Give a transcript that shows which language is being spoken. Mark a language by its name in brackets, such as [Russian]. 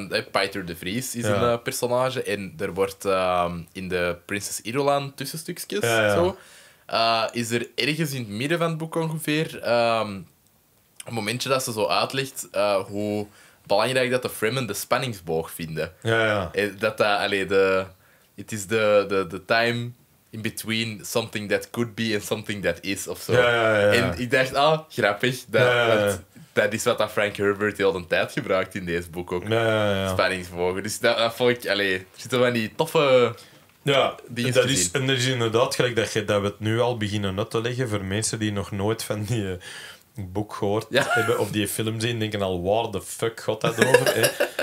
[Dutch] Peter de Vries is een personage. En er wordt in de Prinses Irulan tussenstukjes. Ja, ja. Zo, is er ergens in het midden van het boek ongeveer een momentje dat ze zo uitlegt hoe belangrijk dat de Fremen de spanningsboog vinden. Ja, ja. Dat dat, allee, de, [English] it is the time in between something that could be and something that is, [Dutch] of zo. Ja, ja, ja. En ik dacht, ah, grappig. Dat is wat Frank Herbert heel de tijd gebruikt in deze boek ook. Ja, ja, ja. Spanningsbogen. Dus dat vond ik, allee, er zitten van die toffe dingen. Ja, en er is inderdaad gelijk dat we het nu al beginnen uit te leggen voor mensen die nog nooit van die boek gehoord hebben of die film zien, denken al, waar de fuck gaat dat over? Hè?